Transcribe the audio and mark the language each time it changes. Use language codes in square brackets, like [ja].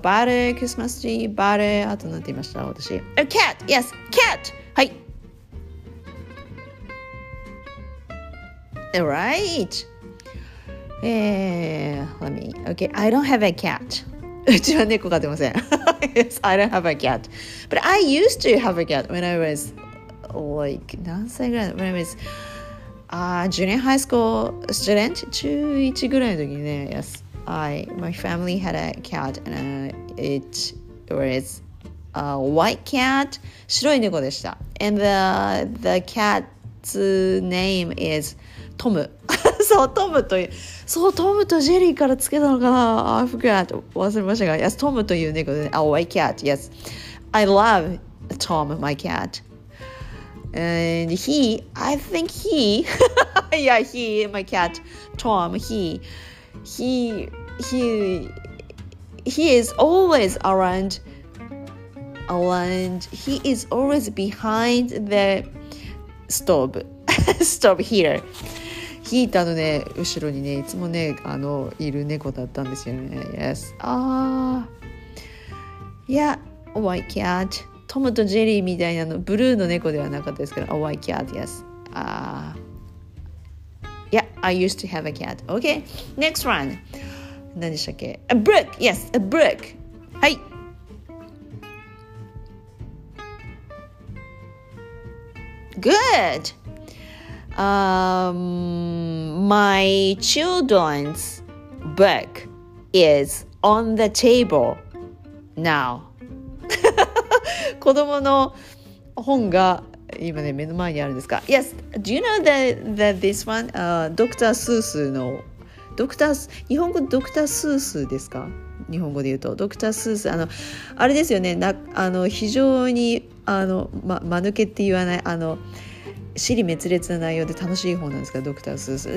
[en] Butter, Christmas tree, butter. [ja] あと何て言いました私。 [en] A cat. Yes, cat. はい。 All right. Let me. Okay, I don't have a cat. [ja] うちは猫飼ってません。 [en] Yes, I don't have a cat. But I used to have a cat when I was like [ja] 何歳ぐらい? [en] When I was [ja] ジュニアハイスクールスチューデント中1ぐらいの時にね、 [en] Yes, I, my family had a cat and it was a white cat, [ja] 白い猫でした。 [en] And the cat's name is Tom. [ja] そう、トムという、そう、トムとジェリーからつけたのかな。 [en] I forgot, [ja] 忘れましたが、 [en] Yes, [ja] トムという猫で、ね、 [en] A white cat, yes. I love Tom, my cat. And he, I think he, yeah, he, my cat, Tom, he is always around, he is always behind the stove here. [ja] ヒーターのね、後ろにね、いつもね、あの、いる猫だったんですよね。 [en] Yes. Yeah, white cat. [ja] トムとジェリーみたいなのブルーの猫ではなかったですけど、 [en] A white cat, yes. Yeah, I used to have a cat. Okay, next one. [ja] 何でしたっけ? [en] A brook, yes, a brook. はい。 Good. My children's book is on the table now. [ja] 子供の本が今ね目の前にあるんですか? [en] Yes, do you know that this one? ドクタースースーの、 [ja] ドクタース、日本語ドクタースースーですか?日本語で言うと。ドクタースースー、あの、あれですよね、あの、非常に、あの、ま、間抜けって言わない、あの、支離滅裂な内容で楽しい本なんですか、ドクタースースー。